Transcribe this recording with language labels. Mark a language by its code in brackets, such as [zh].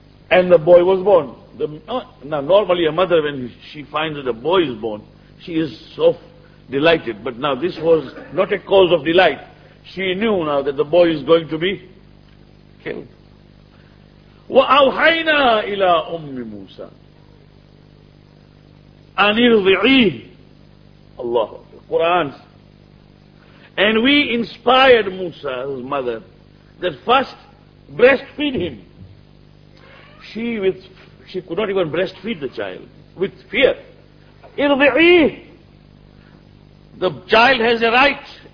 [en] And the boy was born. Now normally a mother, when she finds that a boy is born, she is so delighted. But now this was not a cause of delight. She knew now that the boy is going to be killed. [ar] وَأَوْحَيْنَا إِلَىٰ أُمِّ مُوسَىٰ أَنِرْضِعِيهِ [en] Allah, the Qur'an. And we inspired Musa's mother that first breastfeed him. She could not even breastfeed the child with fear. Irdi'i, the child has a right.